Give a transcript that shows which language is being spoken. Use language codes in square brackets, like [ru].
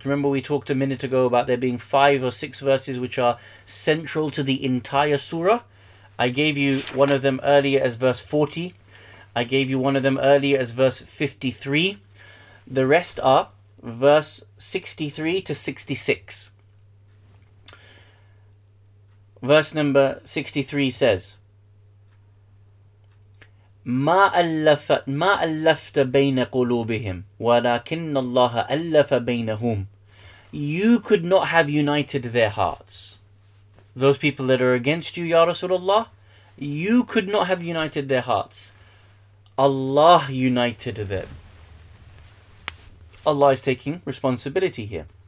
[en] Remember we talked a minute ago about there being five or six verses which are central to the entire surah. I gave you one of them earlier as verse 40. I gave you one of them earlier as verse 53. The rest are verse 63 to 66. Verse number 63 says, [ar] ما ألفت بين قلوبهم ولكن الله ألف بينهم. [en] You could not have united their hearts. Those people that are against you, Ya Rasulullah, you could not have united their hearts. Allah united them. Allah is taking responsibility here.